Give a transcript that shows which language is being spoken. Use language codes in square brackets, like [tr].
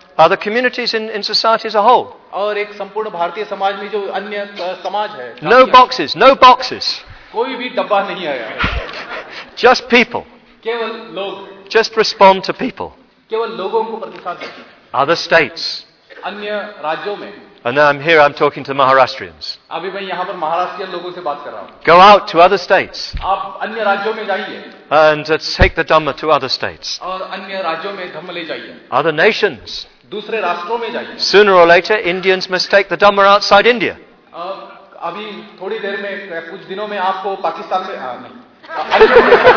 [en] Other communities in society as a whole. [hi] और एक संपूर्ण भारतीय समाज में जो अन्य समाज है. [en] No boxes, no boxes. [hi] कोई भी डब्बा नहीं आया. [en] Just people. [hi] केवल लोग. [en] Just respond to people. [hi] केवल लोगों को प्रतिसाद. [en] Other states. [hi] अन्य राज्यों में. [en] And now I'm here, I'm talking to Maharashtrians. [hi] अभी मैं यहाँ पर महाराष्ट्रीय लोगों से बात कर रहा हूँ. [en] Go out to other states. [hi] आप अन्य राज्यों में जाइए. [en] And take the Dhamma to other states. [hi] और अन्य राज्यों में धम्म ले जाइए. [en] Other nations. [hi] दूसरे राष्ट्रों में जाइए. [en] Sooner or later, Indians must take the Dhamma outside India. [hi] अभी थोड़ी देर में, कुछ दिनों में आपको पाकिस्तान में नहीं.